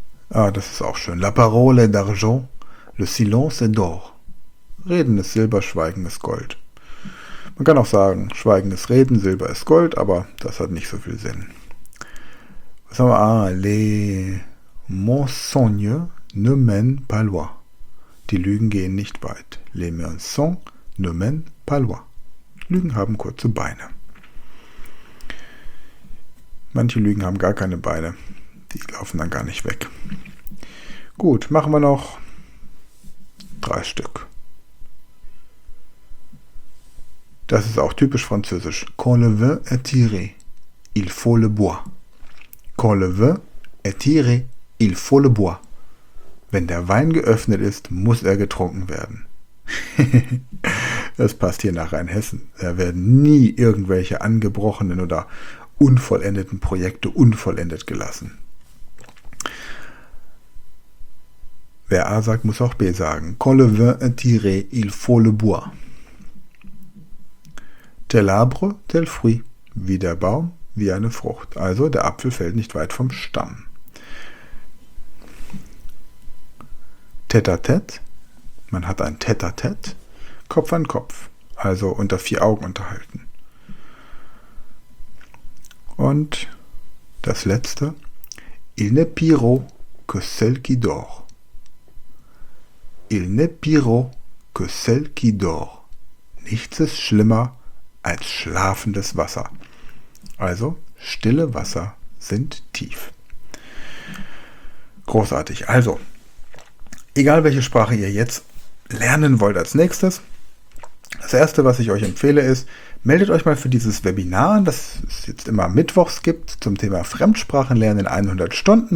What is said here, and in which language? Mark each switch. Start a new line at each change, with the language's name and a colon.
German: Ah, das ist auch schön.
French: La parole est d'argent, le silence est d'or.
German: Reden ist Silber, Schweigen ist Gold. Man kann auch sagen, Schweigen ist Reden, Silber ist Gold, aber das hat nicht so viel Sinn. Was haben wir?
French: Ah, les mensonges. Ne mène pas loin.
German: Die Lügen gehen nicht weit.
French: Les mensonges ne mène pas loin.
German: Lügen haben kurze Beine. Manche Lügen haben gar keine Beine. Die laufen dann gar nicht weg. Gut, machen wir noch 3 Stück. Das ist auch typisch französisch.
French: Quand le vin est tiré, il faut le boire. Quand le vin est tiré, il faut le boire.
German: Wenn der Wein geöffnet ist, muss er getrunken werden. Das passt hier nach Rheinhessen. Da werden nie irgendwelche angebrochenen oder unvollendeten Projekte unvollendet gelassen. Wer A sagt, muss auch B sagen.
French: Quand le vin est tiré, il faut le boire. Tel arbre, tel fruit.
German: Wie der Baum, wie eine Frucht. Also der Apfel fällt nicht weit vom Stamm. Tête-à-tête, man hat ein Tête-à-tête, Kopf an Kopf, also unter 4 Augen unterhalten. Und das letzte,
French: il n'est pire que celle qui dort. Il n'est pire que celle qui dort.
German: Nichts ist schlimmer als schlafendes Wasser. Also stille Wasser sind tief. Großartig, also. Egal, welche Sprache ihr jetzt lernen wollt als nächstes. Das Erste, was ich euch empfehle, ist, meldet euch mal für dieses Webinar, das es jetzt immer mittwochs gibt, zum Thema Fremdsprachenlernen in 100 Stunden.